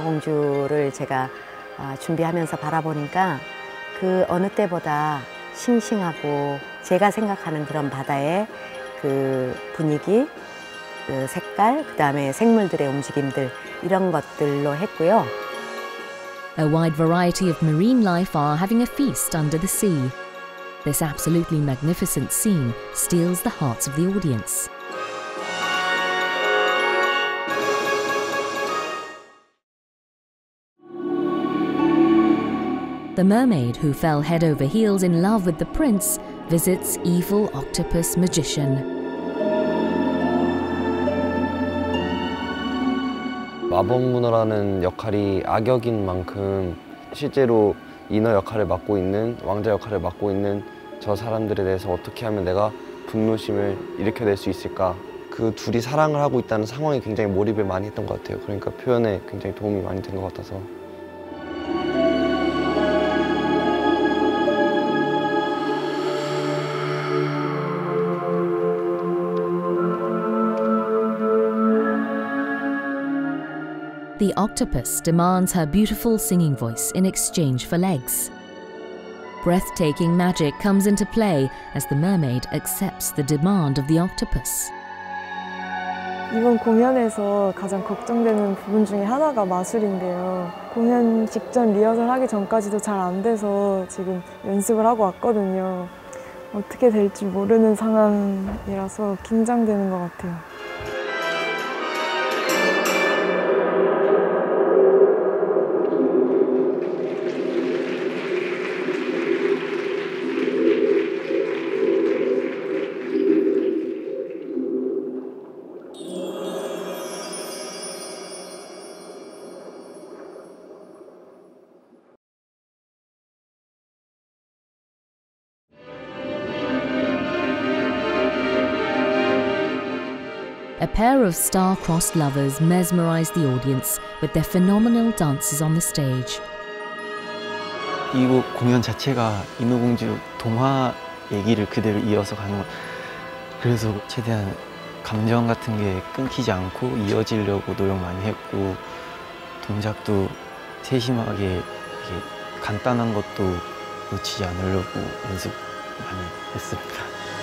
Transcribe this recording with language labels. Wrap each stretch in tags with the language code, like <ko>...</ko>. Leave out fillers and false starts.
<ko>I 준비하면서 바라보니까 그 어느 때보다 싱싱하고 제가 생각하는 그런 바다의 그 분위기, 그 색깔, 그 다음에 생물들의 움직임들 이런 것들로 했고요.</ko> <en>A wide variety of marine life are having a feast under the sea. This absolutely magnificent scene steals the hearts of the audience. The mermaid who fell head over heels in love with the prince visits evil octopus magician.</en> <ko>Magic Mirror 라는 역할이 악역인 만큼 실제로 인어 역할을 맡고 있는 왕자 역할을 맡고 있는 저 사람들에 대해서 어떻게 하면 내가 분노심을 일으켜낼 수 있을까? 그 둘이 사랑을 하고 있다는 상황에 굉장히 몰입을 많이 했던 것 같아요. 그러니까 표현에 굉장히 도움이 많이 된 것 같아서.</ko> <en>The octopus demands her beautiful singing voice in exchange for legs. Breathtaking magic comes into play as the mermaid accepts the demand of the octopus.</en> <ko>이번 공연에서 가장 걱정되는 부분 중에 하나가 마술인데요. 공연 직전 리허설 하기 전까지도 잘 안 돼서 지금 연습을 하고 왔거든요. 어떻게 될지 모르는 상황이라서 긴장되는 것 같아요.</ko> <en>A pair of star-crossed lovers mesmerize the audience with their phenomenal dances on the stage.</en> <ko>이 곡 공연 자체가 인어공주 동화 얘기를 그대로 이어서 가는 거. 그래서 최대한 감정 같은 게 끊기지 않고 이어지려고 노력 많이 했고 동작도 세심하게 이렇게 간단한 것도 놓치지 않으려고 연습 많이 했습니다.</ko>